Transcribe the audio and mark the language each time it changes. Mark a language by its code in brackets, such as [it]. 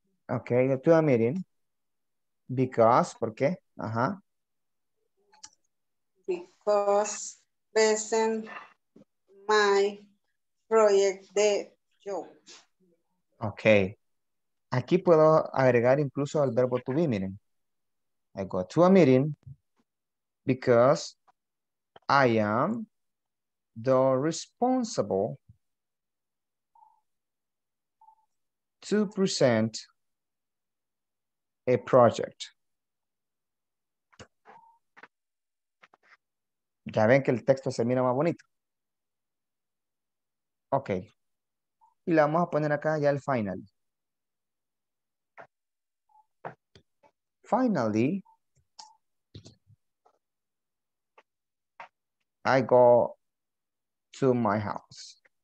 [en] Ok, to a meeting. Because, [es] ¿por qué? Ajá. [en] Because present my project de job. Ok. [es] Aquí puedo agregar incluso al verbo to be, miren. [en] I go to a meeting because I am the responsible to present a project. [es] Ya ven que el texto se mira más bonito. Ok. Y la vamos a poner acá ya al final. [en] Finally, I go to my house.